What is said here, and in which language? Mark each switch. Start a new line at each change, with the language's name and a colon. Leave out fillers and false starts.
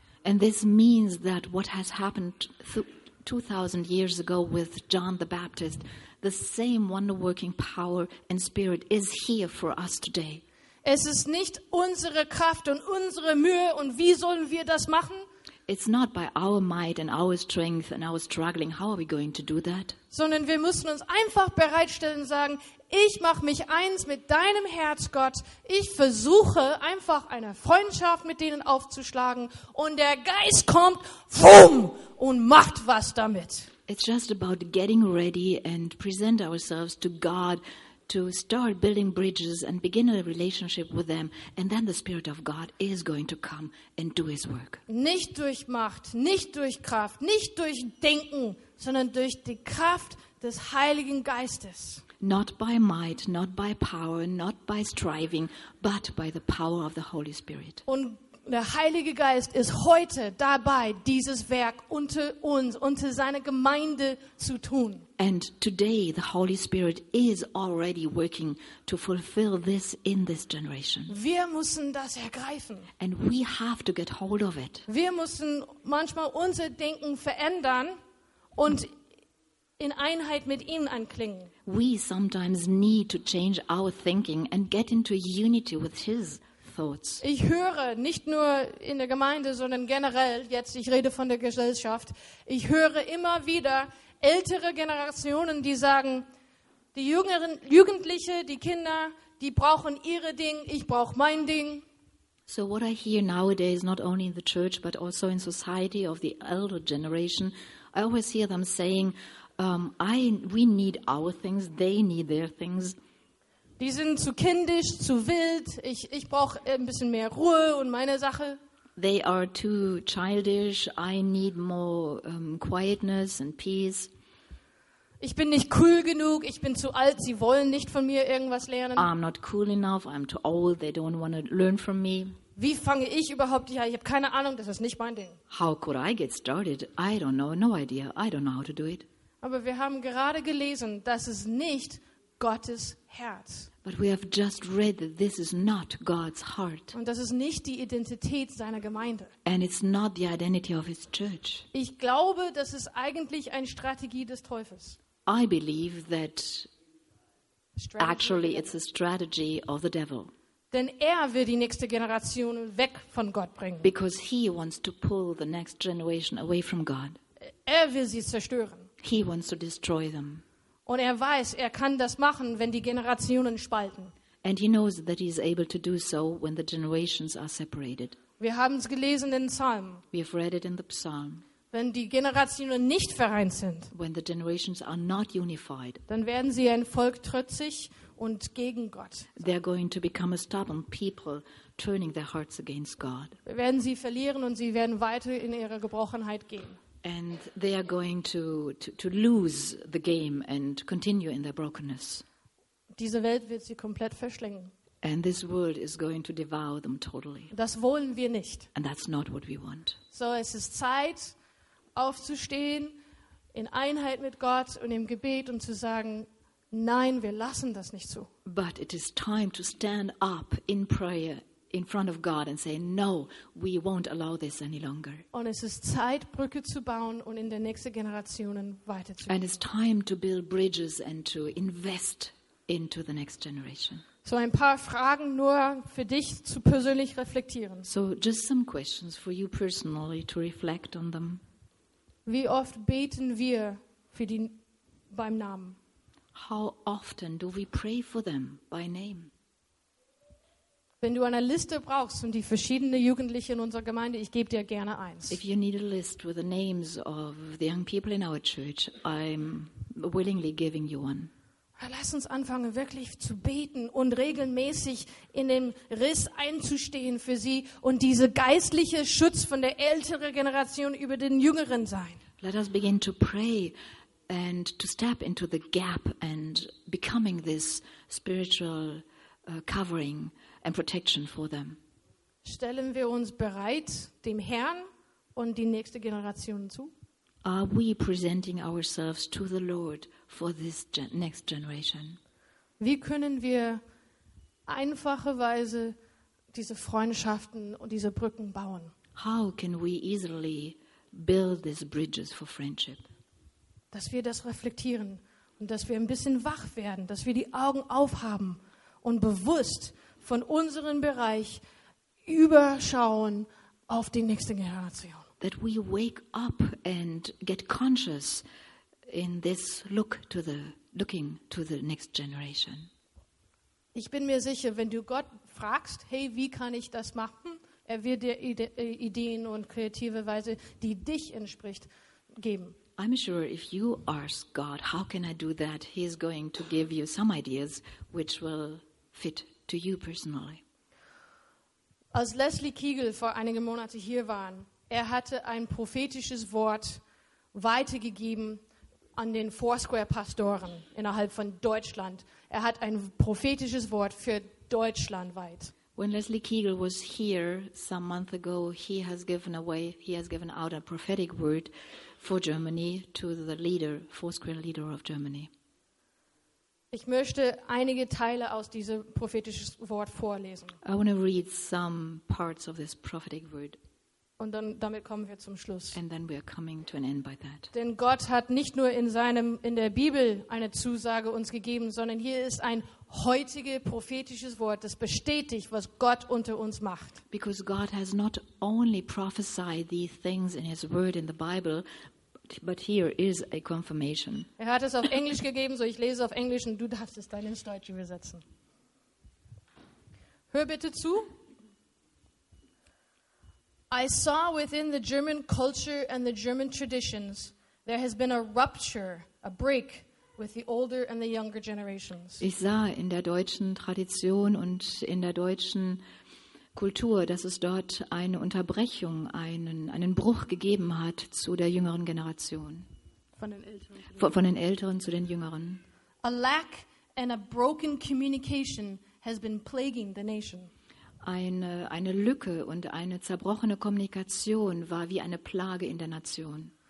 English: And this means that what has happened 2000 years ago with John the Baptist, the same wonder-working power and spirit is here for us today.
German: Es ist nicht unsere Kraft und unsere Mühe und wie sollen wir das machen?
English: It's not by our might and our strength and our struggling. How are we going to do that?
German: Sondern wir müssen uns einfach bereitstellen und sagen, ich mache mich eins mit deinem Herz, Gott. Ich versuche einfach eine Freundschaft mit denen aufzuschlagen und der Geist kommt, boom, und macht was damit.
English: It's just about getting ready and present ourselves to God to start building bridges and begin a relationship with them, and then the Spirit of God is going to come and do his work.
German: Nicht durch Macht, nicht durch Kraft, nicht durch Denken, sondern durch die Kraft des Heiligen Geistes.
English: Not by might, not by power, not by striving, but by the power of the Holy Spirit.
German: Und der Heilige Geist ist heute dabei, dieses Werk unter uns, unter seiner Gemeinde zu tun.
English: And today the Holy Spirit is already working to fulfill this in this generation.
German: Wir müssen das ergreifen.
English: And we have to get hold of it.
German: Wir müssen manchmal unser Denken verändern und in Einheit mit ihm anklingen.
English: We sometimes need to change our thinking and get into unity with his.
German: Ich höre nicht nur in der Gemeinde, sondern generell jetzt, ich rede von der Gesellschaft, ich höre immer wieder ältere Generationen, die sagen, die Jüngeren, Jugendliche, die Kinder, die brauchen ihre Ding, ich brauche mein Ding.
English: So what I hear nowadays, not only in the church, but also in society of the elder generation, I always hear them saying, we need our things, they need their things.
German: Die sind zu kindisch, zu wild. Ich brauche ein bisschen mehr Ruhe und meine Sache.
English: They are too childish. I need more quietness and peace.
German: Ich bin nicht cool genug. Ich bin zu alt. Sie wollen nicht von mir irgendwas lernen.
English: I'm not cool enough. I'm too old. They don't want to learn from me.
German: Wie fange ich überhaupt? Ja, ich habe keine Ahnung. Das ist nicht mein Ding.
English: How could I get started? I don't know. No idea. I don't know how to do it.
German: Aber wir haben gerade gelesen, dass es nicht Gottes Herz.
English: But we have just read that this is not God's heart.
German: Und das ist nicht die Identität seiner Gemeinde.
English: And it's not the identity of his church.
German: Ich glaube, das ist eigentlich eine Strategie des Teufels.
English: I believe that actually it's a strategy of the devil.
German: Denn er will die nächste Generation weg von Gott bringen.
English: Because he wants to pull the next generation away from God.
German: Er will sie zerstören.
English: He wants to destroy them.
German: Und er weiß, er kann das machen, wenn die Generationen spalten.
English: And he knows that he is able to do so when the generations are separated.
German: Wir haben es gelesen in den Psalmen.
English: We have read it in the Psalm.
German: Wenn die Generationen nicht vereint sind,
English: when the generations are not unified,
German: dann werden sie ein Volk trotzig und gegen Gott.
English: They're going to become a stubborn people, turning their hearts against God.
German: Werden sie verlieren und sie werden weiter in ihre Gebrochenheit gehen.
English: And they are going to lose the game and continue in their brokenness.
German: Diese Welt wird sie komplett verschlingen.
English: And this world is going to devour them totally.
German: Das wollen wir nicht.
English: And that's not what we want.
German: So es ist Zeit aufzustehen in Einheit mit Gott und im Gebet und zu sagen, nein, wir lassen das nicht zu.
English: But it is time to stand up in prayer in front of God and say, no, we won't allow this any longer.
German: Und es ist Zeit, Brücke zu bauen und in der nächsten Generationen weiterzugehen.
English: And it's time to build bridges and to invest into the next generation.
German: So ein paar Fragen nur für dich zu persönlich reflektieren.
English: So just some questions for you personally to reflect on them.
German: Wie oft beten wir für die beim Namen?
English: How often do we pray for them by name?
German: Wenn du eine Liste brauchst und die verschiedenen Jugendlichen in unserer Gemeinde, ich gebe dir gerne eins.
English: If you need a list with the names of the young people in our church, I'm willingly giving you one.
German: Lass uns anfangen, wirklich zu beten und regelmäßig in dem Riss einzustehen für sie und diese geistliche Schutz von der älteren Generation über den Jüngeren sein.
English: Let us begin to pray and to step into the gap and becoming this spiritual covering and protection for them.
German: Stellen wir uns bereit dem Herrn und die nächste Generation zu?
English: Are we presenting ourselves to the Lord for this next generation?
German: Wie können wir einfacherweise diese Freundschaften und diese Brücken bauen?
English: How can we easily build these bridges for friendship?
German: Dass wir das reflektieren und dass wir ein bisschen wach werden, dass wir die Augen aufhaben und bewusst von unserem Bereich überschauen auf die nächste Generation.
English: That we wake up and get conscious in this looking to the next generation.
German: Ich bin mir sicher, wenn du Gott fragst, hey, wie kann ich das machen? Er wird dir Ideen und kreative Weise, die dich entspricht, geben.
English: I'm sure if you ask God, how can I do that? He is going to give you some ideas which will fit to you personally.
German: Als Leslie Kegel vor einigen Monaten hier war, er hatte ein prophetisches Wort weitergegeben an den Foursquare-Pastoren innerhalb von Deutschland. Er hat ein prophetisches Wort für deutschlandweit.
English: When Leslie Kegel was here some month ago, he has given out a prophetic word for Germany to the leader, Foursquare leader of Germany.
German: Ich möchte einige Teile aus diesem prophetischen Wort vorlesen.
English: I want to read some parts of this prophetic word.
German: Und dann damit kommen wir zum Schluss.
English: And then we are coming to an end by that.
German: Denn Gott hat nicht nur in der Bibel eine Zusage uns gegeben, sondern hier ist ein heutiges prophetisches Wort, das bestätigt, was Gott unter uns macht.
English: Because God has not only prophesied these things in his word in the Bible, but here is a confirmation.
German: Er hat es auf Englisch gegeben, so ich lese auf Englisch und du darfst es dann ins Deutsche übersetzen. Hör bitte zu.
English: I saw within the German culture and the German traditions there has been a rupture, a break with the older and the younger generations.
German: Ich sah in der deutschen Tradition und in der deutschen Kultur, dass es dort eine Unterbrechung, einen Bruch gegeben hat zu der jüngeren Generation. Von den Älteren zu den Jüngeren.
English: A lack and a broken communication has been plaguing the nation.
German: Eine Lücke und eine zerbrochene Kommunikation war wie eine Plage in der Nation.